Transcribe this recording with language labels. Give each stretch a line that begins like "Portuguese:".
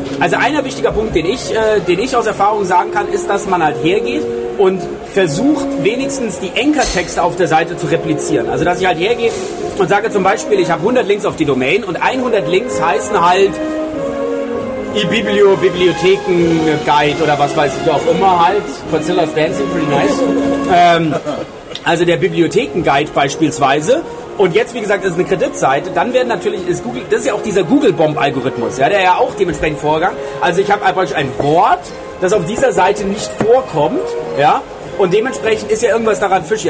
German: Also ein wichtiger Punkt, den ich aus Erfahrung sagen kann, ist, dass man halt hergeht und versucht wenigstens die Anchor-Texte auf der Seite zu replizieren. Also dass ich halt hergehe und sage zum Beispiel, ich habe 100 Links auf die Domain und 100 Links heißen halt iBiblio, Bibliotheken-Guide oder was weiß ich auch immer halt.
English: Godzilla's Dancing, pretty nice.
German: Also der Bibliotheken-Guide beispielsweise. Und jetzt, wie gesagt, das ist eine Kreditseite. Dann werden natürlich, ist Google, das ist ja auch dieser Google-Bomb-Algorithmus, ja, der ja auch dementsprechend Vorgang. Also ich habe praktisch ein Wort, das auf dieser Seite nicht vorkommt, ja, und dementsprechend ist ja irgendwas daran fishy.